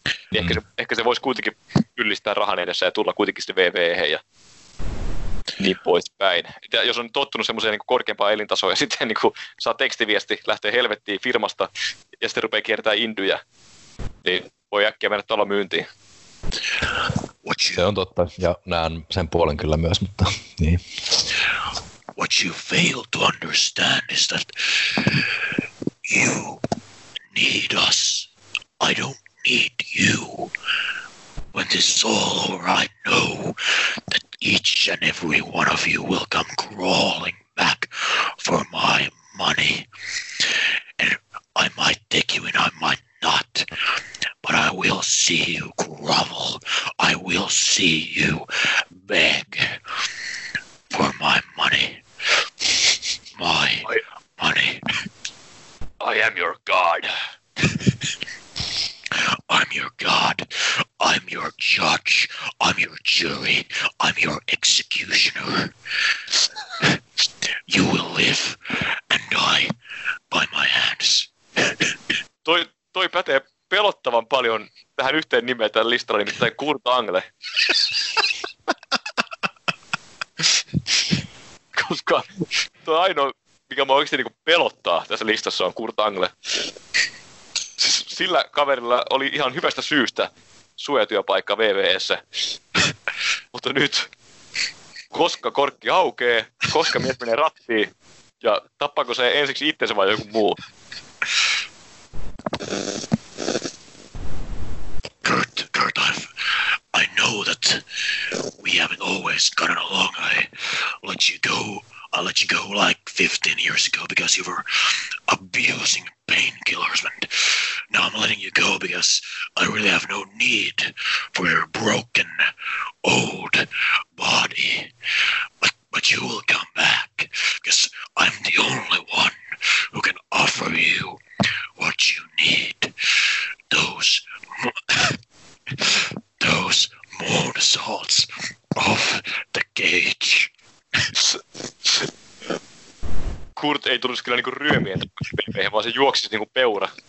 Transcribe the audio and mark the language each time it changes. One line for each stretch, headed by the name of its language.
Finnish: Niin ehkä se voisi kuitenkin yllistää rahan edessä ja tulla kuitenkin sitten VVEhen ja niin poispäin. Ja jos on tottunut semmoiseen niin kuin korkeampaan elintasoon ja sitten niin kuin saa tekstiviesti, lähtee helvettiin firmasta ja sitten rupeaa kiertämään indyjä, niin voi äkkiä mennä tuolla myyntiin. Se on totta, ja näen sen puolen kyllä myös, mutta niin.
English: What you fail to understand is that you need us. I don't need you. When this is all over, I know that each and every one of you will come crawling back for my money. I might take you and I might not, but I will see you grovel. I will see you beg for my money. My money. I am your god. I'm your god. I'm your judge. I'm your jury. I'm your executioner. You will live and die by my hands.
Finnish: Toi pätee pelottavan paljon tähän yhteen nimeen tämän listalla, nimittäin Kurt Angle. Koska toi ainoa, mikä mä oikeasti niinku pelottaa tässä listassa, on Kurt Angle. Sillä kaverilla oli ihan hyvästä syystä suojatyöpaikka VVE:ssä. Mutta nyt, koska korkki aukeaa, koska mies menee rattiin, ja tappaako se ensiksi itsensä vai joku muu?
English: Kurt, I know that we haven't always gotten along. I let you go. I let you go like 15 years ago because you were abusing painkillers. And now I'm letting you go because I really have no need for your broken old body. But you will come back because I'm the only one who can offer you what you need, those moon salts of the cage.
Finnish: Kurt ei tulisi kyllä niinku ryömiä tämmöisiä, vaan se juoksisi niinku peura.